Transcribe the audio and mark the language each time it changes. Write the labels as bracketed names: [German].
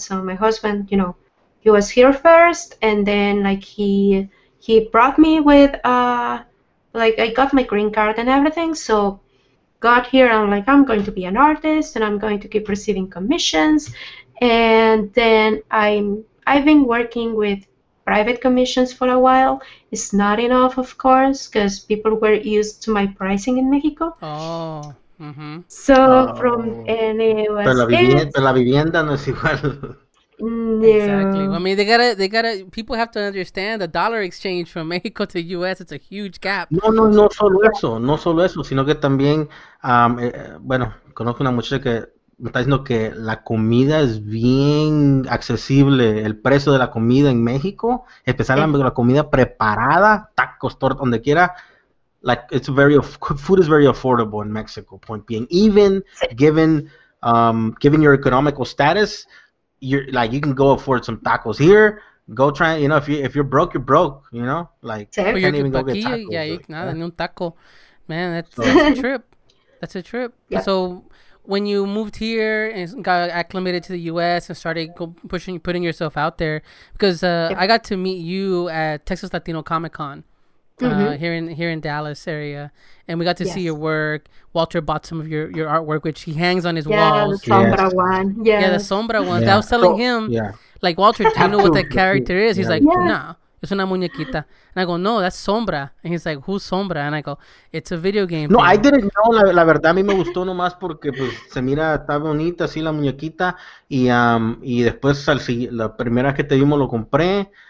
[English] So my husband, you know, he was here first, and then, like, he brought me with, I got my green card and everything, so got here, and I'm like, I'm going to be an artist, and I'm going to keep receiving commissions, and then I've been working with private commissions for a while. It's not enough, of course, because people were used to my pricing in Mexico. Oh, mm-hmm. So, oh. From, and it was, [Spanish] pero la vivienda no es igual. No. [English] Exactly. I mean, they gotta. People have to understand the dollar exchange from Mexico to U.S. It's a huge gap. [Spanish] No solo eso, sino que también, bueno, conozco una muchacha que me está diciendo que la comida es bien accesible, el precio de la comida en México, especialmente la comida preparada, tacos, tortas, donde quiera. [English] Like, it's very, food is very affordable in Mexico. Point being, even given your economical status. You can go afford some tacos here. Go try, you know, if you're broke, you're broke, you know, like, oh, you can't even go get tacos. Yeah, you can't have a taco. Man, that's a trip. Yeah. So when you moved here and got acclimated to the U.S. and started putting yourself out there, because I got to meet you at Texas Latino Comic Con. Mm-hmm. Here in Dallas area, and we got to see your work. Walter bought some of your artwork, which he hangs on his walls. The Sombra one. Yes. Yeah, the Sombra one. Yeah. I was telling him, like, Walter, do you know what that character is? He's like, no, it's [Spanish] una muñequita. [English] And I go, no, that's Sombra. And he's like, who's Sombra? And I go, it's a video game. No, thing. I didn't know. [Spanish] La verdad, a mí me gustó nomás porque pues se mira, está bonita, así la muñequita. Y después, la primera que te vimos lo compré.